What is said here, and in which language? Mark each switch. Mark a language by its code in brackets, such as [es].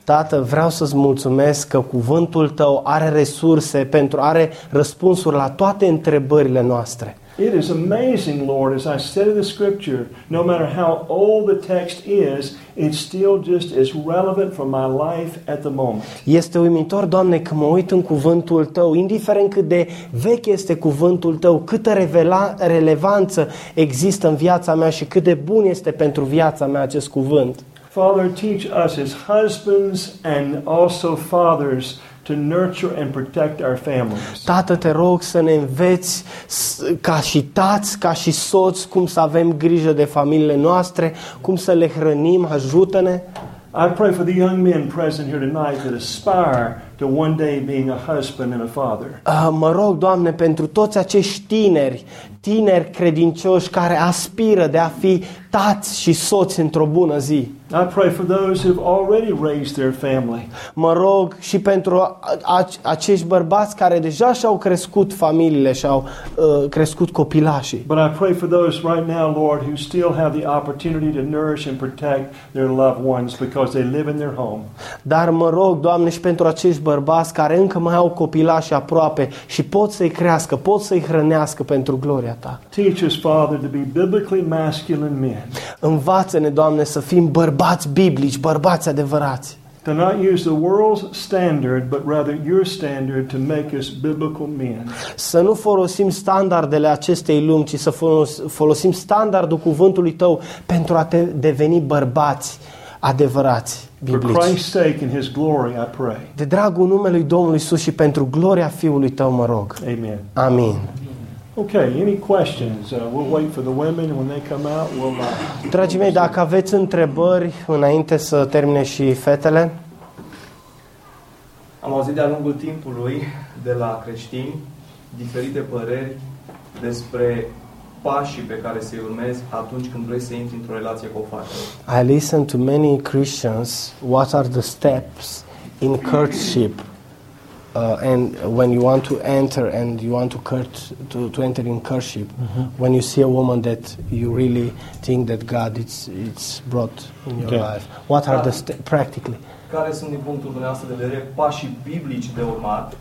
[ro] Tată, vreau să-ți mulțumesc că cuvântul tău are resurse pentru are răspunsuri la toate întrebările noastre. [en] It is amazing, Lord, as I study the scripture, no matter how old the text is, it's still just as relevant for my life at the moment. [ro] Este uimitor, Doamne, că mă uit în cuvântul tău, indiferent cât de vechi este cuvântul tău, câtă relevanță există în viața mea și cât de bun este pentru viața mea acest cuvânt. [en] Father, teach us as husbands and also fathers to nurture and protect our families. [ro] Tată, te rog să ne înveți ca și tați, ca și soți, cum să avem grijă de familiile noastre, cum să le hrănim, ajută-ne. [en] I pray for the young men present here tonight that aspire to one day being a husband and a father. [ro] Mă rog, Doamne, pentru toți acești tineri credincioși care aspiră de a fi tați și soți într-o bună zi. [en] I pray for those who've already raised their family. [ro] Mă rog și pentru acești bărbați care deja și-au crescut familiile și au crescut copilașii. [en] But I pray for those right now, Lord, who still have the opportunity to nourish and protect their loved ones because they live in their home. [ro] Dar mă rog, Doamne, și pentru acești bărbați care încă mai au copilași aproape și pot să-i crească, pot să-i hrănească pentru gloria ta. [en] Teach us, Father, to be biblically masculine men. [ro] Învață-ne, Doamne, să fim bărbați biblici, bărbați adevărați. [en] To not use the world's standard, but rather your standard to make us biblical men. [ro] Să nu folosim standardele acestei lumi, ci să folosim standardul cuvântului tău pentru a te deveni bărbați adevărați. [en] For Christ's sake and His glory, I pray. [ro] De dragul numelui Domnului Iisus și pentru gloria Fiului Tău, mă rog. [en] Amen. [ro] Amin. [en] Okay, any questions? We'll wait for the women when they come out. We'll. [ro] Dragii mei, dacă aveți întrebări înainte să termine și fetele. Am auzit de-a lungul timpului de la creștini diferite păreri despre pașii pe care se urmez atunci când vrei să intri într-o relație cu o fată. [en] I listen to many Christians, what are the steps in courtship and when you want to enter and you want to enter in courtship, mm-hmm. when you see a woman that you really think that God it's brought in your okay. life. What are the steps practically? [ro] Care sunt din punctul dumneavoastră de vedere pașii biblici de urmat?